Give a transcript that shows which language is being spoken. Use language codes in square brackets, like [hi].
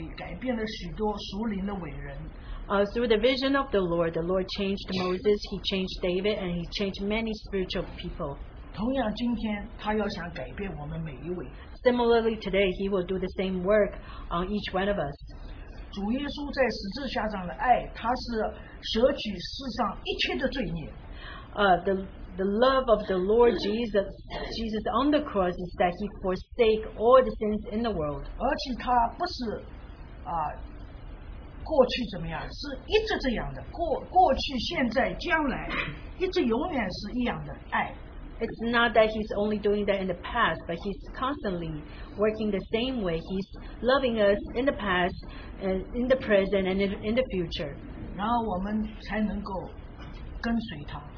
[en] Through the vision of the Lord changed Moses, he changed David, and he changed many spiritual people. [zh] 同样今天他要想改变我们每一位。 [en] Similarly today, he will do the same work on each one of us. [zh] 主耶稣在十字架上的爱, 祂是舍取世上一切的罪孽。 [en] The love of the Lord Jesus on the cross is that he forsake all the sins in the world. [zh] 而且祂不是, 过去怎么样, 是一直这样的, 过去, 现在, 将来, 一直永远是一样的爱。 [en] It's not that he's only doing that in the past, but he's constantly working the same way. He's loving us in the past, and in the present, and in the future. [zh] 然后我们才能够跟随他。